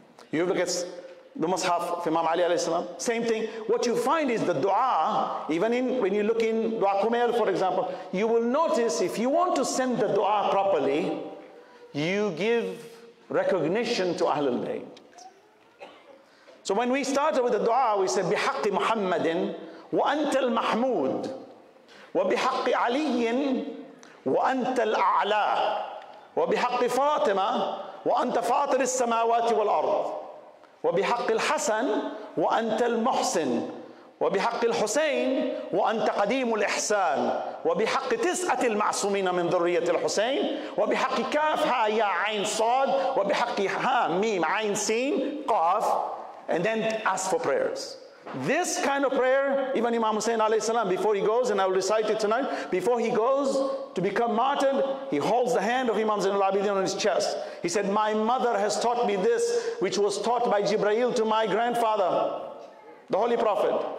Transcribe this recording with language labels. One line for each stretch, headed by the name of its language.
English: You look at the Mus'haf of Imam Ali alayhi salam, same thing. What you find is the dua, even in when you look in Dua Kumail, for example, you will notice if you want to send the dua properly, you give recognition to Ahlul Bayt. So when we started with the dua, we said,
Arabic: بِحَقِّ مُحَمَّدٍ وَأَنْتَ الْمَحْمُودِ وَبِحَقِّ عَلِيٍّ وَأَنْتَ الْأَعْلَى وَبِحَقِّ فَاطِمَةٍ وَأَنْتَ فَاطِرِ السَّمَاوَاتِ وَالْأَرْضِ وَبِحَقِّ الْحَسَنِ وَأَنْتَ الْمُحْسِنِ وَبِحَقِّ الْحُسَيْنِ وَأَنْتَ قَدِيمُ الْإِحْسَانِ وَبِحَقِّ تِسْعَةِ الْمَعْصُومِينَ مِنْ ذُرِّيَّةِ الْحُسَيْنِ وَبِحَقِّ كَافْهَا يَا عَيْنْ صَاد وَبِحَقِّ هَامِيمْ عَيْنْ سِينْ قَافْ.
English: And then ask for prayers. This kind of prayer, even Imam Hussein alayhi salam, before he goes, and I will recite it tonight, before he goes to become martyred, he holds the hand of Imam Zainul Abidin on his chest. He said, my mother has taught me this, which was taught by Jibreel to my grandfather, the Holy Prophet.